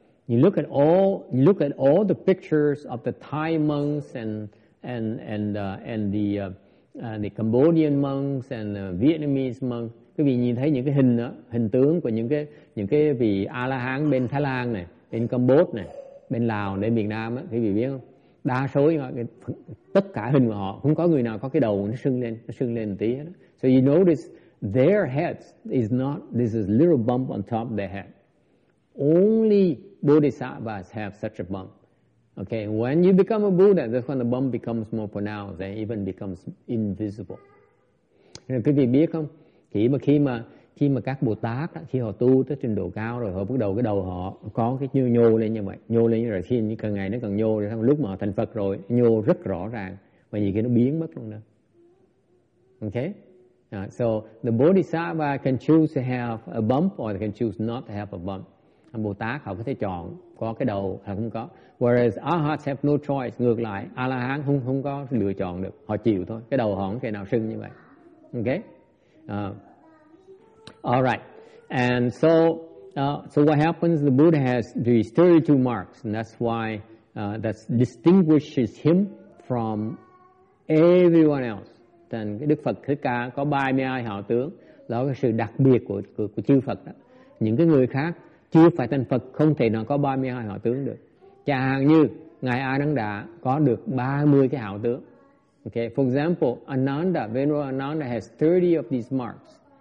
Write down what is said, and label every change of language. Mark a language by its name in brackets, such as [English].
[English] You look at all the pictures of the Thai monks and the the Cambodian monks and the Vietnamese monks, [Vietnamese] quý vị nhìn thấy những cái hình đó, hình tướng của những cái vị A-la-hán bên Thái Lan này, bên Campuchia này, bên Lào, bên Việt Nam á, quý vị biết không? Đa số tất cả hình của họ không có người nào có cái đầu nó sưng lên một tí hết. [English] So you notice their heads is not, this is a little bump on top of their head. Only Bodhisattvas have such a bump. Okay, when you become a Buddha, that's when the bump becomes more pronounced and even becomes invisible. [Vietnamese] Nên quý vị biết không? Khi mà các Bồ Tát khi họ tu tới trình độ cao rồi, họ bắt đầu cái đầu họ có cái nhô lên như vậy, nhô lên như vậy, khi như càng ngày nó càng nhô, rồi sau lúc mà họ thành Phật rồi nhô rất rõ ràng, và nhiều khi nó biến mất luôn đó. [English] Okay, so the Bodhisattva can choose to have a bump or they can choose not to have a bump. [Vietnamese] Bồ Tát họ có thể chọn có cái đầu hay không có. [English] Whereas Arhats have no choice. [Vietnamese] Ngược lại, A-la-hán không có lựa chọn được, họ chịu thôi, cái đầu họ không thể nào sưng như vậy. [English] Okay. All right, and so what happens? The Buddha has these 32 marks, and that's why that distinguishes him from everyone else. [Vietnamese] Then Đức Phật Thích Ca có 32 hảo tướng, đó là sự đặc biệt của chư Phật đó. Những cái người khác chưa phải thành Phật không thể nào có 32 hảo tướng được. Chẳng hạn như ngài A Nan Đà có được 30 cái hảo tướng. [English] Okay, for example, Ananda, Venerable Ananda has 30 of these marks.